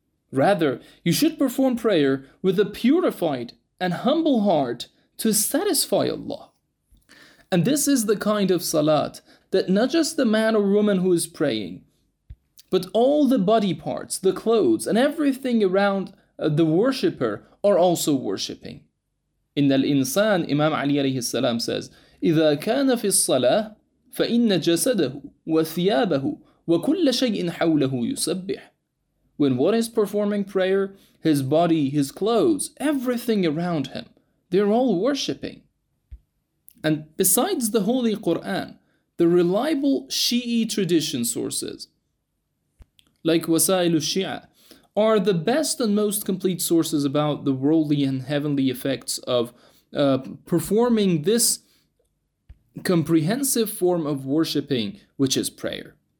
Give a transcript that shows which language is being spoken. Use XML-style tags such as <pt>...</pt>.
<en>Rather, you should perform prayer with a purified and humble heart to satisfy Allah. And this is the kind of salat that not just the man or woman who is praying, but all the body parts, the clothes, and everything around the worshipper are also worshipping. In al-insan, Imam Ali alayhi salam says,</en> <ar>إِذَا كَانَ فِي الصَّلَاةِ فَإِنَّ جَسَدَهُ وَثِيَابَهُ وَكُلَّ شَيْءٍ حَوْلَهُ يُسَبِّحُ.</ar> <en>When one is performing prayer, his body, his clothes, everything around him, they're all worshipping. And besides the Holy Quran, the reliable Shi'i tradition sources, like Wasail al-Shi'a, are the best and most complete sources about the worldly and heavenly effects of performing this comprehensive form of worshipping, which is prayer.</en>